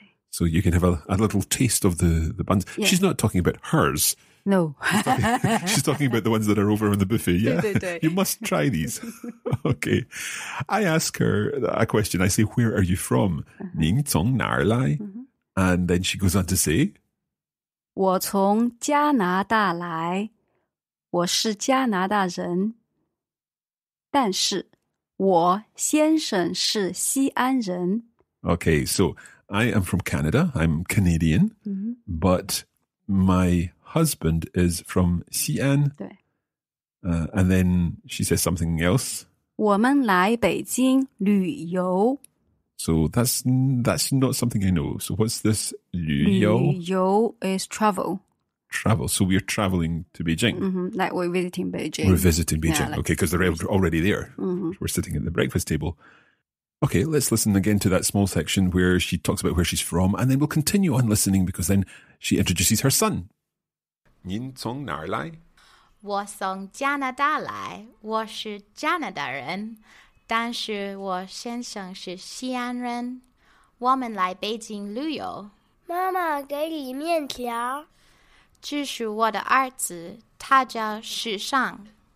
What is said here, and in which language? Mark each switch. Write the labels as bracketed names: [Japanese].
[English] So you can have a little taste of the buns. Yeah. She's not talking about hers. No. She's talking about the ones that are over on the buffet. Yeah. [Chinese] 对对对. [English] You must try these. Okay. I ask her a question. I say, where are you from? [Chinese] 您从哪儿来? [English] And then she goes on to say, [Chinese] 我从加拿大来，我是加拿大人。但是，我先生是西安人。 [English] Okay, so I am from Canada. I'm Canadian. Mm-hmm. But my husband is from 西安。 [Chinese] 对。 [English] And then she says something else. [Chinese] 我们来北京旅游。 [English] So that's not something I know. So what's this? 旅游。旅游 is travel. Travel. So we're traveling to Beijing. Mm-hmm. Like we're visiting Beijing. We're visiting Beijing. Yeah, okay, because they're already there. Mm-hmm. We're sitting at the breakfast table. Okay, let's listen again to that small section where she talks about where she's from, and then we'll continue on listening because then she introduces her son. [Chinese] 您从哪儿来？我从加拿大来，我是加拿大人，但是我先生是西安人。我们来北京旅游。妈妈给你面条。这是我的儿子，他叫时尚。